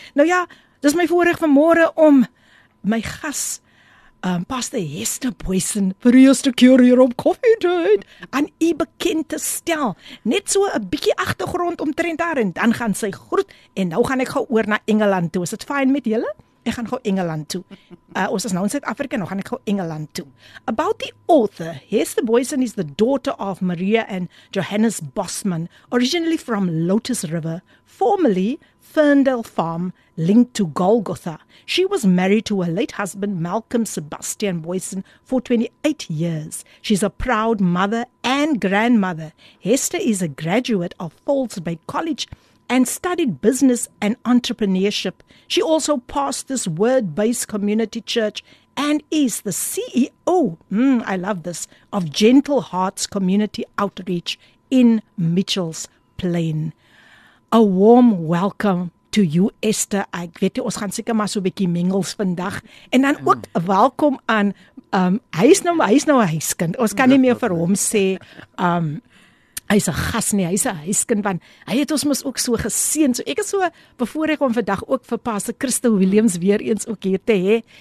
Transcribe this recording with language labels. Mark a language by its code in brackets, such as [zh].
[af] Nou ja, dis my voorreg van môre om my gas Pastor Hester Boysen, vir u eerste keer hier op Koffietyd, aan u bekend te stel. Net so 'n bietjie agtergrond omtrent haar, en dan gaan sy groet, en nou gaan ek gou oor na Engeland toe. Is dit fyn met julle? Ek gaan gou Engeland toe. Ons is nou in Suid-Afrika, nou gaan ek gou Engeland toe. [en] About the author, Hester Boysen is the daughter of Maria and Johannes Bosman, originally from Lotus River, formerly Ferndale Farm, linked to Golgotha. She was married to her late husband, Malcolm Sebastian Boysen, for 28 years. She's a proud mother and grandmother. Hester is a graduate of Falls Bay College and studied business and entrepreneurship. She also passed this word-based community church and is the CEO, I love this, of Gentle Hearts Community Outreach in Mitchell's Plain. A warm welcome to you, Hester. [af] Ek weet jy, ons gaan seker maar so 'n bietjie mingels vandag. En dan ook welkom aan, hy is nou 'n huiskind. Ons kan nie meer vir hom sê, hy's 'n gas nie, hy's 'n huiskind, want hy het ons mos ook so geseën. So ek is so bevoorreg om vandag ook vir Pastor Christel Williams weer eens ook hier te hê.